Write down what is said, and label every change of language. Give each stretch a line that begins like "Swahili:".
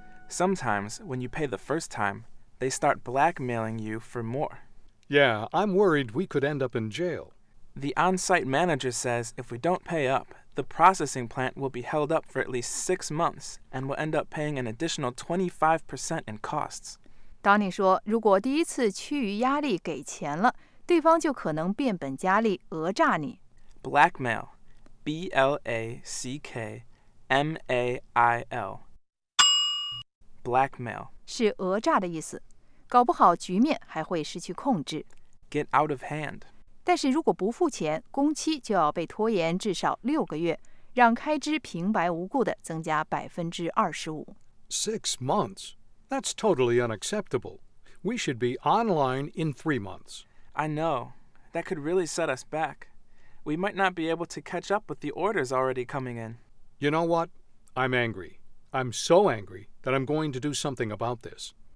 English: Sometimes, when you pay the first time, they start blackmailing you for more. Yeah, I'm worried we could end up in jail. The on-site manager says if we don't pay up, the processing plant will be held up for at least 6 months and will end up paying an additional 25% in costs.
Chinese: Donny 说，如果第一次趋于压力给钱了，对方就可能变本加厉讹诈你。
English: Blackmail. B-L-A-C-K-M-A-I-L Blackmail
Chinese: 是讹诈的意思，搞不好局面还会失去控制。
English: Get out of hand
Chinese: 但是如果不付钱，工期就要被拖延至少6个月，让开支平白无故的增加25%。
English: 6 months? That's totally unacceptable. We should be online in 3 months. I know. That could really set us back. We might not be able to catch up with the orders already coming in. You know what? I'm angry. I'm so angry that I'm going to do something about this.